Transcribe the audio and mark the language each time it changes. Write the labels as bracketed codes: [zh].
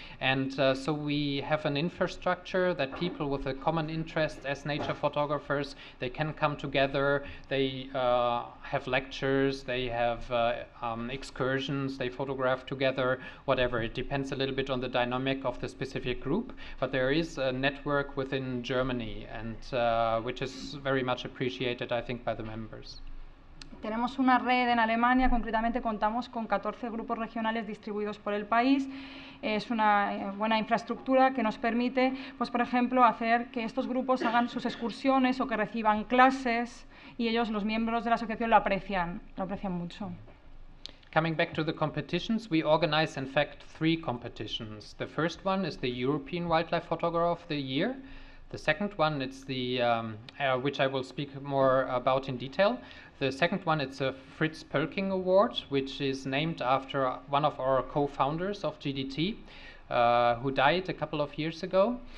[en] And so we have an infrastructure that people with a common interest as nature photographers, they can come together, they have lectures, they have excursions, they photograph together, whatever. It depends a little bit on the dynamic of the specific group, but there is a network within Germany, and which is very much appreciated, I think, by the members. [es] Tenemos una red en Alemania, concretamente contamos con 14 grupos regionales distribuidos por el país. Es una buena infraestructura que nos permite, pues, por ejemplo, hacer que estos grupos hagan sus excursiones o que reciban clases, y ellos, los miembros de la asociación, lo aprecian mucho. [en] Coming back to the competitions, we organize, in fact, 3 competitions. The first one is the European Wildlife Photographer of the Year. The second one, it's the which I will speak more about in detail. The second one, it's a Fritz Pölking Award, which is named after one of our co-founders of GDT, who died a couple of years ago.